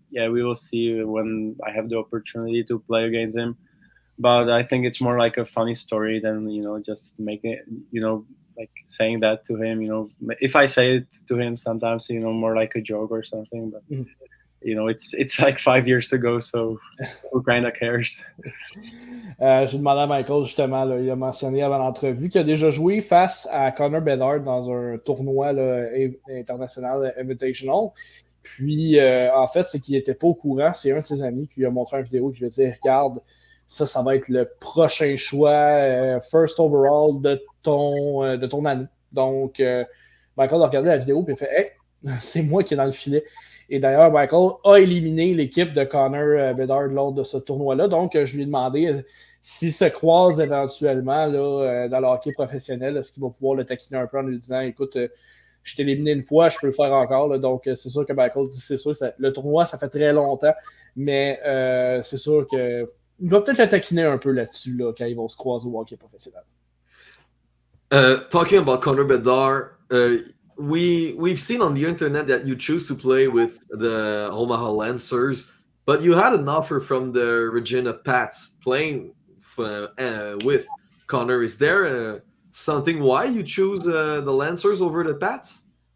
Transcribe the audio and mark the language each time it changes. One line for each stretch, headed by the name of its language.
English: Yeah, we will see when I have the opportunity to play against him. But I think it's more like a funny story than, you know, just making it, you know, like saying that to him, you know. If I say it to him sometimes, you know, more like a joke or something. But, you know, it's like 5 years ago, so who kind of cares?
French: J'ai demandé à Michael, justement, là, il a mentionné avant l'entrevue qu'il a déjà joué face à Connor Bedard dans un tournoi là,
English: international invitational.
French: Puis, en fait, c'est qu'il n'était pas au courant. C'est un de ses amis qui lui a montré une vidéo qui lui a dit « Regarde, ça va être le prochain choix
English: first overall
French: de ton année. » Donc, Michael a regardé la vidéo et a fait « Hey, c'est moi qui est dans le filet. » Et d'ailleurs, Michael a éliminé l'équipe de Connor Bedard lors de ce tournoi-là. Donc, je lui ai demandé s'il se croise éventuellement là, dans le hockey professionnel, est-ce qu'il va pouvoir le taquiner un peu en lui disant « Écoute, je t'ai éliminé une fois, je peux le faire encore. » Donc, c'est sûr que Michael dit « C'est sûr, le tournoi, ça fait très longtemps. » Mais c'est sûr qu'il va peut-être le taquiner un peu là-dessus là, quand ils vont se croiser au hockey professionnel.
English: Talking about Connor Bedard... We've seen on the internet that you choose to play with the Omaha Lancers, but you had an offer from the Regina Pats playing with Connor. Is there something why you choose the Lancers over the Pats?